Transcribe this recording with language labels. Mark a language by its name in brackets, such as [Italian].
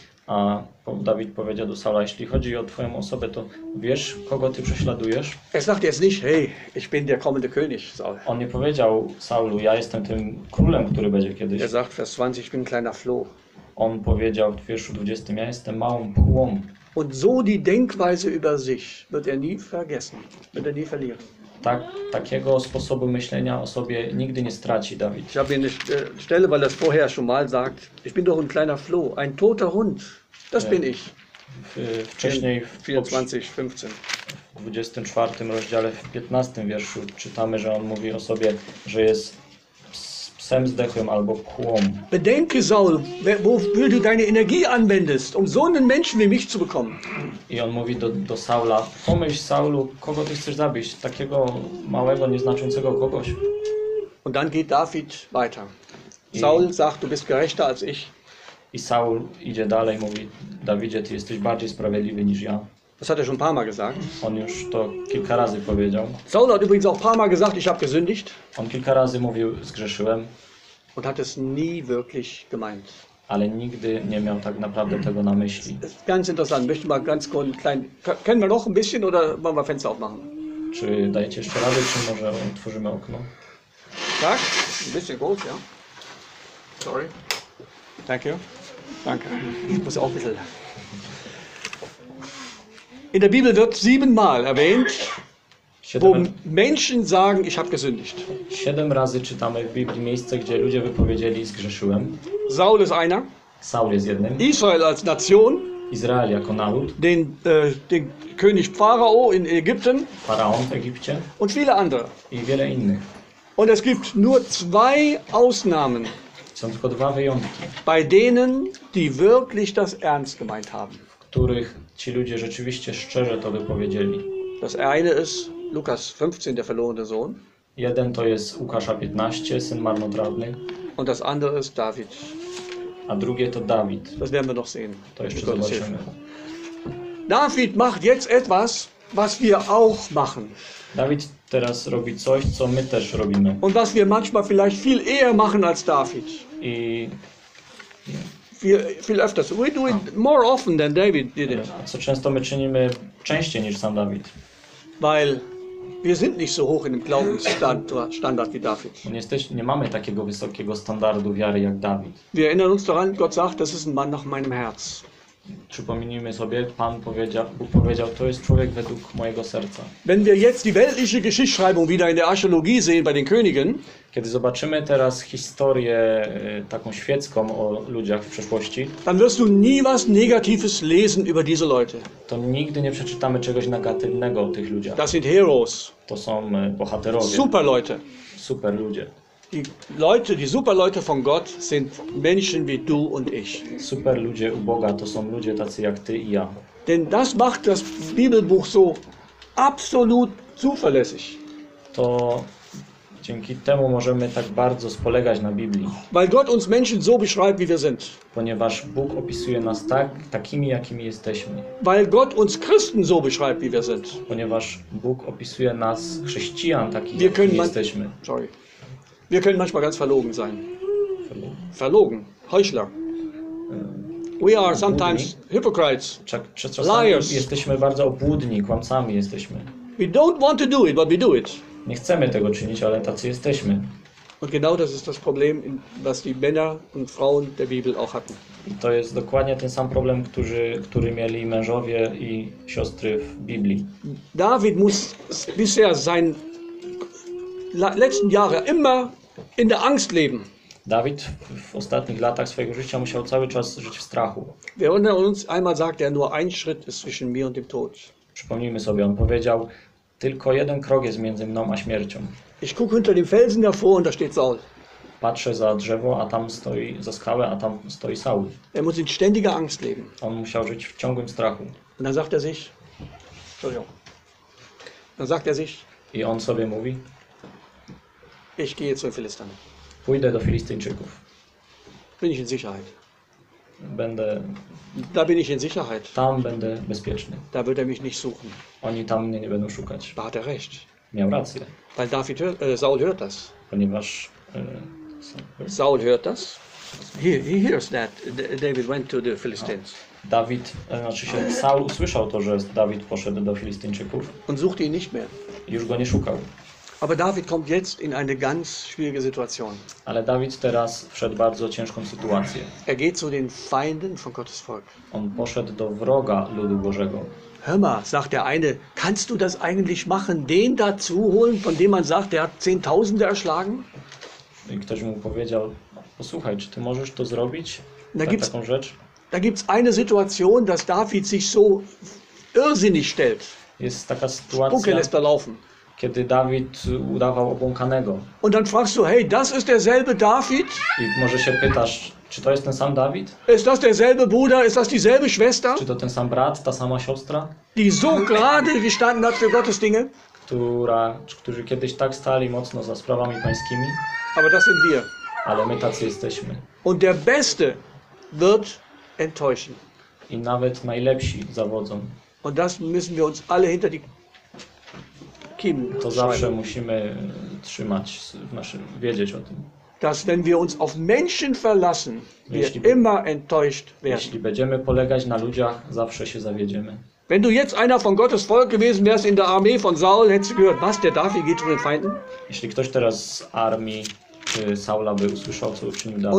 [Polish] A David powiedział do Saula, jeśli chodzi o twoją osobę, to wiesz, kogo ty prześladujesz? [German] Er sagt jetzt nicht, hey, ich bin der kommende König, Saul. [Polish] On nie powiedział Saulu, ja jestem tym królem, który będzie kiedyś. [German] Er sagt, Vers 20, ich bin kleiner Floh. [Polish] On powiedział w wierszu 20, ja jestem małą pchłą. [German] Und so die Denkweise über sich wird er nie vergessen, wird er nie verlieren. [Polish] Tak, takiego sposobu myślenia o sobie nigdy nie straci Dawid. [German] Ich habe ihn nicht stelle, weil das vorher schon mal sagt, ich bin doch ein kleiner Floh, ein toter Hund. Das bin ich. [Polish] Wcześniej w 24:15. W 24 rozdziale w 15 wierszu czytamy, że on mówi o sobie, że jest psem zdechłym albo pchłą. [German] Bedenke, Saul, wofür du deine Energie anwendest, um so einen Menschen wie mich zu bekommen. [Polish] I on mówi do Saula, pomyśl, Saulu, kogo ty chcesz zabić, takiego małego, nieznaczącego kogoś. [German] Und dann geht David weiter. Saul sagt, du bist gerechter als ich. [Polish] I Saul idzie dalej, mówi, Dawidzie, ty jesteś bardziej sprawiedliwy niż ja. [German] Das hat er schon ein paar Mal gesagt. [Polish] On już to kilka razy powiedział. [German] Saul hat übrigens auch ein paar Mal gesagt, ich habe gesündigt. [Polish] On kilka razy mówił, zgrzeszyłem. [German] Und hat es nie wirklich gemeint. [Polish] Ale nigdy nie miał tak naprawdę tego na myśli. [German] Das ist ganz interessant. Möchte mal ganz kurz einen kleinen... Können wir noch ein bisschen oder wollen wir Fenster aufmachen? [Polish] Czy dajecie jeszcze radę, czy może otworzymy okno? Tak, [German] ein bisschen groß, ja. Sorry. [English] Thank you. [German] Danke. Ich muss auch ein bisschen... In der Bibel wird siebenmal erwähnt, wo Menschen sagen, ich habe gesündigt. [Polish] Siedem razy czytamy w Biblii miejsce, gdzie ludzie wypowiedzieli, zgrzeszyłem. [German] Saul ist einer. [Polish] Saul jest jednym. [German] Israel als Nation. [Polish] Izrael jako naród. [German] Den König Pharao in Ägypten. [Polish] Pharaon w Egipcie. [German] Und viele andere. [Polish] I wiele innych. [German] Und es gibt nur zwei Ausnahmen. [Polish] Są tylko dwa wyjątki. [German] Bei denen, die wirklich das ernst gemeint haben. [Polish] W których ci ludzie rzeczywiście szczerze to wypowiedzieli. [German] Das eine ist Lukas 15, der verlorene Sohn. [Polish] Jeden to jest Łukasza 15, syn marnotrawny. [German] Und das andere ist David. [Polish] A drugie to Dawid. [German] Das werden wir noch sehen. [Polish] To jeszcze zobaczymy. [German] David macht jetzt etwas, was wir auch machen. [Polish] Dawid teraz robi coś, co my też robimy. [German] Und was wir manchmal vielleicht viel eher machen als David. [Polish] I... [German] Viel öfters. [English] We do it more often than David did it. [Polish] Co często my czynimy częściej niż sam Dawid. [German] Weil wir sind nicht so hoch in dem Glaubensstandard wie David. [Polish] Nie mamy takiego wysokiego standardu wiary jak Dawid. [German] Wir erinnern uns daran, Gott sagt, das ist ein Mann nach meinem Herz. [Polish] Przypomnijmy sobie, Pan powiedział, Bóg powiedział, to jest człowiek według mojego serca. [German] Wenn wir jetzt die weltliche Geschichtsschreibung wieder in der Archäologie sehen bei den Königen, [Polish] kiedy zobaczymy teraz historię taką świecką o ludziach w przeszłości, [German] dann wirst du nie was Negatives lesen über diese Leute. [Polish] To nigdy nie przeczytamy czegoś negatywnego o tych ludziach. [German] Das sind Heroes. [Polish] To są bohaterowie. [German] Super Leute. [Polish] Super ludzie. [German] Die Leute, die super Leute von Gott sind Menschen wie du und ich. [Polish] Super ludzie u Boga to są ludzie tacy jak ty i ja. [German] Denn das macht das Bibelbuch so absolut zuverlässig. [Polish] To dzięki temu możemy tak bardzo polegać na Biblii. [German] Weil Gott uns Menschen so beschreibt, wie wir sind. [Polish] Ponieważ Bóg opisuje nas tak, takimi, jakimi jesteśmy. [German] Weil Gott uns Christen so beschreibt, wie wir sind. [Polish] Ponieważ Bóg opisuje nas chrześcijan takimi, jakimi jesteśmy. [German] Sorry. Wir können manchmal ganz verlogen sein. Verlogen. Heuchler. [English] We are sometimes hypocrites. Liars. [Polish] Jesteśmy bardzo obłudni, kłamcami jesteśmy. [English] We don't want to do it, but we do it. [Polish] Nie chcemy tego czynić, ale tacy jesteśmy. [German] Und genau das ist das Problem, was die Männer und Frauen der Bibel auch hatten. [Polish] I to jest dokładnie ten sam problem, który mieli mężowie i siostry w Biblii. [German] David muss bisher sein letzten Jahre immer in der Angst leben. [Polish] Dawid w ostatnich latach swojego życia musiał cały czas żyć w strachu. [German] Wer unter uns einmal sagt, der nur ein Schritt ist zwischen mir und dem Tod. [Polish] Przypomnijmy sobie, on powiedział, tylko jeden krok jest między mną a śmiercią. [German] Ich guck hinter dem Felsen davor und da steht Saul. [Polish] Patrzę za drzewo, a tam stoi, za skałę, a tam stoi Saul. [German] Er muss in ständiger Angst leben. [Polish] On musiał żyć w ciągłym strachu. [German] Und dann sagt er sich, dann sagt er sich, [Polish] i on sobie mówi, [German] ich gehe zu Philistern. [Polish] Pójdę do Filistyńczyków. [German] Bin ich in Sicherheit. [Polish] Będę. [German] Da bin ich in Sicherheit. [Polish] Tam będę bezpieczny. [German] Da wird er mich nicht suchen. [Polish] Oni tam mnie nie będą szukać. [German] Da hat er recht. [Polish] Miał rację. [German] Weil David hört, Saul hört das. [Polish] Ponieważ [German] Saul hört das. [English] He hears that David went to the Philistines. [Polish] Dawid, znaczy się Saul usłyszał to, że Dawid poszedł do Filistyńczyków. [German] Und sucht ihn nicht mehr. [Polish] Już go nie szukał. [German] Aber David kommt jetzt in eine ganz schwierige Situation. [Polish] Ale Dawid teraz wszedł bardzo ciężką sytuację. [German] Er geht zu den Feinden von Gottes Volk. [Polish] On poszedł do wroga ludu Bożego. [German] Hör mal, sagt der eine, kannst du das eigentlich machen, den dazu holen, von dem man sagt, der hat Zehntausende erschlagen? [Polish] I ktoś mu powiedział, posłuchaj, czy ty możesz to zrobić? Taką rzecz? [German] Da gibt's eine Situation, dass David sich so irrsinnig stellt. [Polish] Jest taka sytuacja. [German] Spucke lässt er laufen. [Polish] Kiedy Dawid udawał obłąkanego. [German] Und dann fragst du, hey, das ist derselbe David? [Polish] I może się pytasz, czy to jest ten sam Dawid? [German] Ist das derselbe Bruder? Ist das dieselbe Schwester? [Polish] Czy to ten sam brat, ta sama siostra? [German] Die so gerade gestanden hat für Gottes Dinge? [Polish] Którzy kiedyś tak stali mocno za sprawami pańskimi? [German] Aber das sind wir. [Polish] Ale my tacy jesteśmy. [German] Und der Beste wird enttäuschen. [Polish] I nawet najlepsi zawodzą. [German] Und das müssen wir uns alle hinter die [Polish] to zawsze musimy trzymać w naszym, wiedzieć o tym. [German] Dass wenn wir uns auf Menschen verlassen, wir immer enttäuscht werden. [Polish] Jeśli będziemy polegać na ludziach, zawsze się zawiedziemy. [German] Wenn du jetzt einer von Gottes Volk gewesen wärst in der Armee von Saul, hättest du gehört, was der David geht zu den Feinden? [Polish] Jeśli ktoś teraz z armii Saula by usłyszał, co uczynił Dawid.